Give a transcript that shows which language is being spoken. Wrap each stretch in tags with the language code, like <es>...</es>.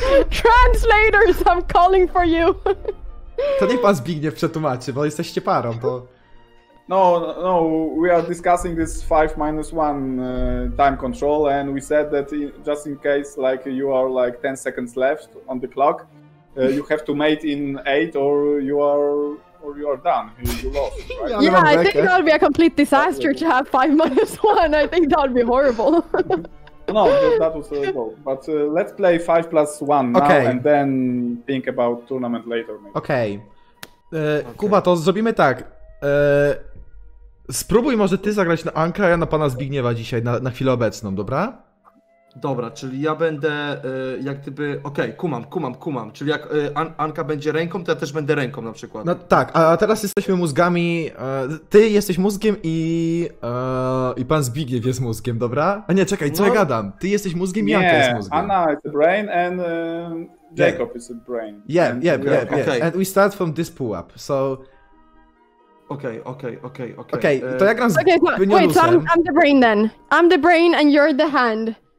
<en>Translators, I'm calling for you.</en> <pl>To nie pan Zbigniew przetłumaczy, bo jesteście parą, to...</pl> <en>No, we are discussing this 5 minus 1 time control and we said that just in case like you are like 10 seconds left on the clock, you have to mate in 8 or you are done. You lost. Right? Yeah, I think that would be a complete disaster to have 5 minus 1. I think that would be horrible. No, that was horrible. But let's play 5 plus 1 okay. Now and then think about tournament later. Maybe.</en> <pl>Okay. Kuba, to zrobimy tak. Spróbuj może ty zagrać na Anka, a ja na pana Zbigniewa dzisiaj, na chwilę obecną, dobra? Dobra, czyli ja będę jak gdyby... Okej, okay, kumam. Czyli jak Anka będzie ręką, to ja też będę ręką na przykład. No tak, a teraz jesteśmy mózgami... ty jesteś mózgiem i pan Zbigniew jest mózgiem, dobra? A nie, czekaj, co ja gadam? Ty jesteś mózgiem i Anka jest mózgiem.</pl> <en>Anna is a brain and Jacob is a brain. Yeah. And we start from this pull-up, so...</en> <pl>Okej. To ja gram z</pl> <en>Wait, so I'm the brain then. I'm the brain and you're the hand.</en>